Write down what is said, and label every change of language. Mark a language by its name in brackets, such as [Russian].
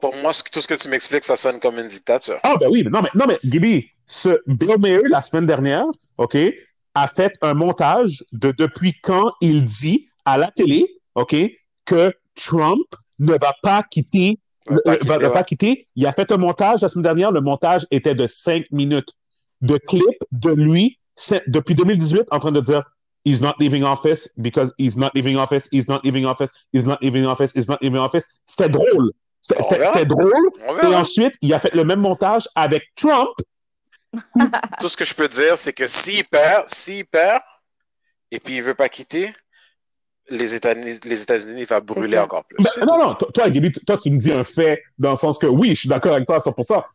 [French] Pour moi, tout ce que tu m'expliques, ça sonne comme une dictature. Ah, ben oui, mais non, mais Gibby, ce Bill Maher, la semaine dernière, OK, a fait un montage de depuis quand il dit à la télé, OK, que Trump ne va pas quitter, On va pas va quitter, ouais. pas quitter. Il a fait un montage la semaine dernière. Le montage était de 5 minutes de clip de lui, depuis 2018, en train de dire, [English] He's not leaving office because he's not leaving office, he's not leaving office, he's not leaving office, he's not leaving office. [French] C'était drôle. On verra. C'était drôle. On Et verra. ensuite, il a fait le même montage avec Trump. Tout ce que je peux dire, c'est que s'il perd, et puis il veut pas quitter, les États-Unis va C'est brûler clair. encore plus, Ben, c'est non, tout. non, toi, Gaby, toi, tu me dis un fait dans le sens que oui, je suis d'accord avec toi à 100%.